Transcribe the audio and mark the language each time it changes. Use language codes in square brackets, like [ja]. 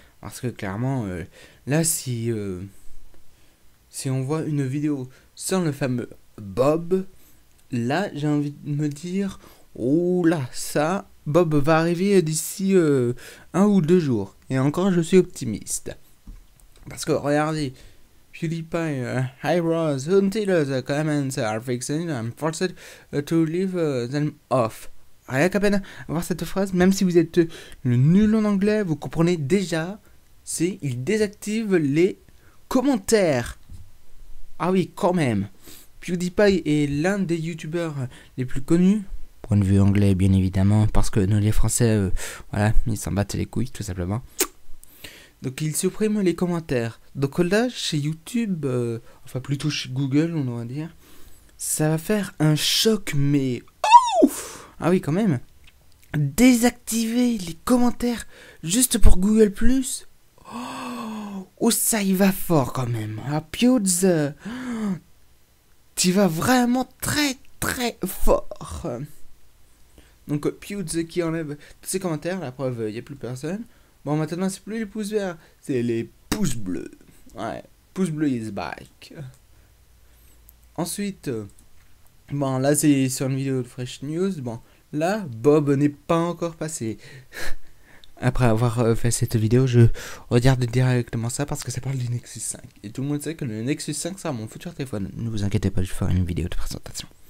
[fr] Parce que clairement, là, si... Si on voit une vidéo sans le fameux Bob, là, j'ai envie de me dire, oula, ça, Bob va arriver d'ici un ou deux jours. Et encore, je suis optimiste. Parce que, regardez, PewDiePie, [en] Hi Rose, until the comments are fixed, I'm forced to leave them off. [fr] Rien qu'à peine avoir cette phrase, même si vous êtes le nul en anglais, vous comprenez déjà, c'est il désactive les commentaires. Ah oui, quand même. PewDiePie est l'un des youtubeurs les plus connus. Point de vue anglais, bien évidemment. Parce que nous, les Français, voilà, ils s'en battent les couilles, tout simplement. Donc, ils suppriment les commentaires. Donc là, chez YouTube, enfin plutôt chez Google, on doit dire, ça va faire un choc, mais... Ouf ! Ah oui, quand même. Désactiver les commentaires juste pour Google+. Oh, ça y va fort quand même. Ah, Pewds, tu vas vraiment très très fort. Donc, Pewds qui enlève tous ses commentaires, la preuve, il n'y a plus personne. Bon, maintenant, c'est plus les pouces verts, c'est les pouces bleus. Ouais, pouces bleus [en] is back. [fr] Ensuite, bon, là, c'est sur une vidéo de Fresh News. Bon, là, Bob n'est pas encore passé. Après avoir fait cette vidéo, je regarde directement ça parce que ça parle du Nexus 5. Et tout le monde sait que le Nexus 5 sera mon futur téléphone. Ne vous inquiétez pas, je ferai une vidéo de présentation.